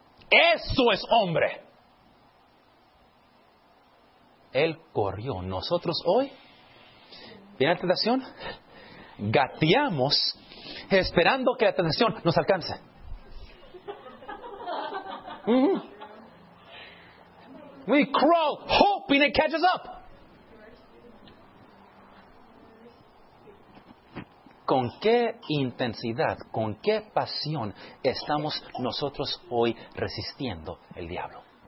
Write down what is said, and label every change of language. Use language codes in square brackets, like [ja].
[es] Eso es hombre. Él corrió. Nosotros hoy, ¿viene la tentación? Gateamos esperando que la tentación nos alcance. [en] We crawl hoping it catches up. [es] ¿Con qué intensidad, con qué pasión estamos nosotros hoy resistiendo el diablo?